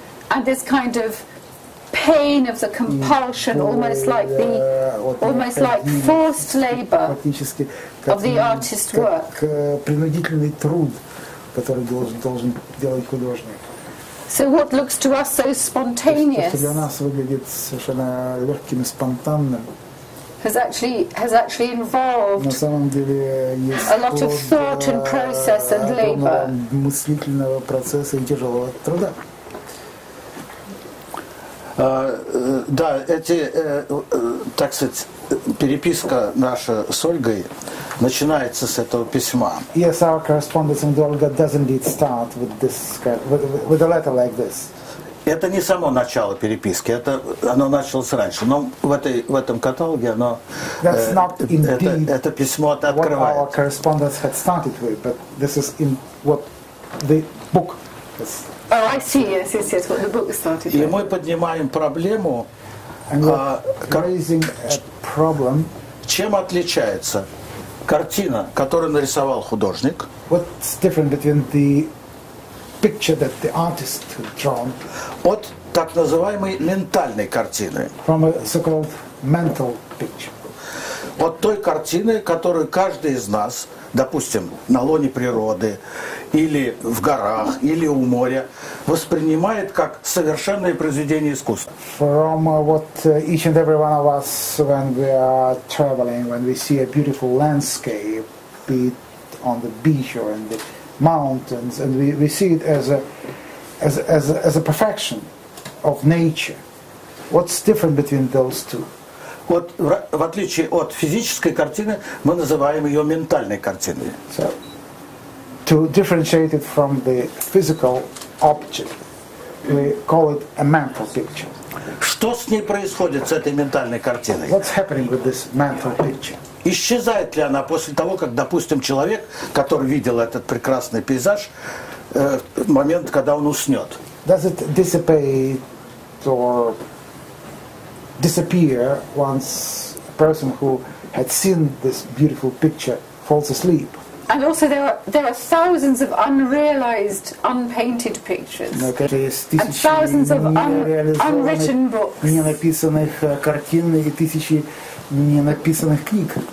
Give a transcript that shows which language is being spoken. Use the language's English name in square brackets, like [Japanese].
[English] And this kind of pain of the compulsion, almost like forced labor of the artist's work. [Russian] Принудительный труд, который должен делать художник. [English] So what looks to us so spontaneous, [Russian] для нас выглядит совершенно легким и спонтанным, [English] has actually involved [Russian] на самом деле [English] a lot of thought and process and labor. [Russian] Мыслительного процесса и тяжелого труда. Да, эти, так сказать, переписка наша с Ольгой начинается с этого письма. [English] Yes, our correspondence with Olga does indeed start with this with a letter like this. [Russian] Это не само начало переписки, это оно началось раньше, но в этом каталоге оно это письмо открывает. [English] What our correspondence had started with, but this is in what the book is. Oh, I see. Yes, what the book started. [Russian] И мы поднимаем проблему, [English] raising a problem. [Russian] Чем отличается картина, которую нарисовал художник? [English] What's different between the picture that the artist drawn? [Russian] От так называемой ментальной картины. [English] From a so-called mental picture. [Russian] От той картины, которую каждый из нас, допустим, на лоне природы, или в горах, или у моря, воспринимает как совершенное произведение искусства. [English] From what each and every one of us, when we are traveling, when we see a beautiful landscape, be it on the beach or in the mountains, and we see it as a perfection of nature. What's different between those two? [Russian] вот в отличие от физической картины, мы называем ее ментальной картиной. [English] So, to differentiate it from the physical object, we call it a mental picture. [Russian] Что с ней происходит, с этой ментальной картиной? [English] What's happening with this mental picture? [Russian] Исчезает ли она после того, как, допустим, человек, который видел этот прекрасный пейзаж, в момент, когда он уснет? [English] Does it dissipate or disappear once a person who had seen this beautiful picture falls asleep? And also there are thousands of unrealized, unpainted pictures. Okay. And thousands of unwritten books. [Russian] Не написанных картин и тысячи не написанных книг.